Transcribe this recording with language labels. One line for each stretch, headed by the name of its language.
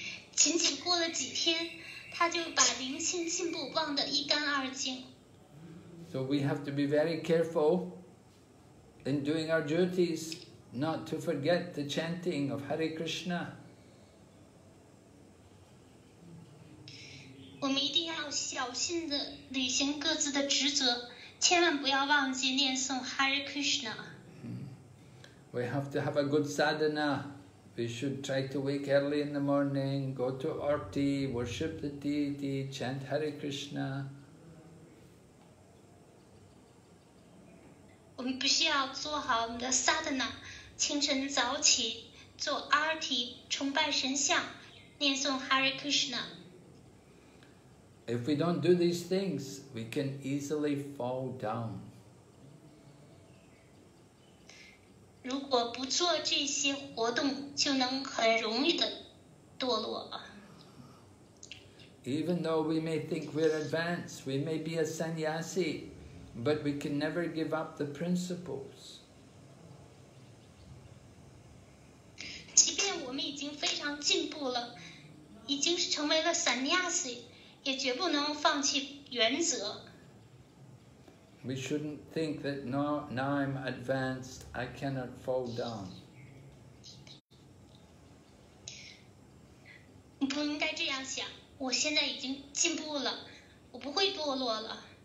Chinese: 仅仅过了几天。他就把灵性进步忘得一干二净。
English: So we have to be very careful in doing our duties, not to forget the chanting of Hare Krishna.
Chinese: 我们一定要小心地履行各自的职责，千万不要忘记念诵 Hare Krishna.
English: We have to have a good sadhana. We should try to wake early in the morning, go to Arti, worship the deity, chant Hare Krishna. We
Chinese: 必须要做好我们的 sadhana, 清晨早起做 Arti, 崇拜神像，念诵 Hare Krishna.
English: If we don't do these things, we can easily fall down.
Chinese: 如果不做这些活动，就能很容易的堕落。
English: Even though we may think we're advanced, we may be a sannyasi, but we can never give up the principles.
Chinese: 即便我们已经非常进步了，已经成为了 sannyasi, 也绝不能放弃原则。
English: We shouldn't think that now I'm advanced, I cannot fall down.
Chinese: 你不应该这样想，我现在已经进步了，我不会堕落了。